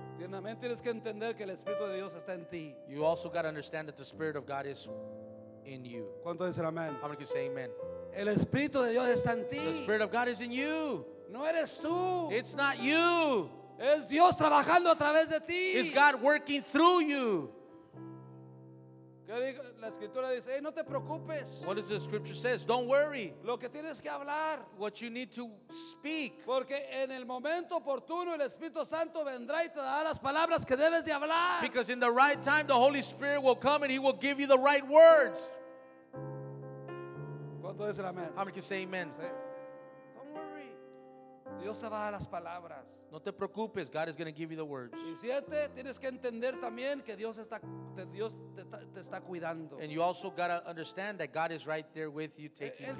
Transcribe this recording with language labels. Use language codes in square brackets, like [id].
[es] También tienes que entender que el Espíritu de Dios está en ti. [en] You also got to understand that the Spirit of God is in you. [es] ¿Cuánto dicen amén? [en] How many can say amen? [es] El Espíritu de Dios está en ti. [en] The Spirit of God is in you. [es] No eres tú. [en] It's not you. [es] Es Dios trabajando a través de ti. [en] It's God working through you. [es] La Escritura dice, hey, no te preocupes. [en] What does the Scripture say? Don't worry. [es] Lo que tienes que hablar. [en] What you need to speak. [es] Porque en el momento oportuno el Espíritu Santo vendrá y te dará las palabras que debes de hablar. [en] Because in the right time the Holy Spirit will come and He will give you the right words. [es] ¿Cuánto dice el amén? [en] How many can say amen? Don't worry. [es] Dios te va a dar las palabras. No te preocupes, [en] God is going to give you the words. [es] Y siete, tienes que entender también que Dios te está cuidando. [en] And you also got to understand that God is right there with you, taking care of you.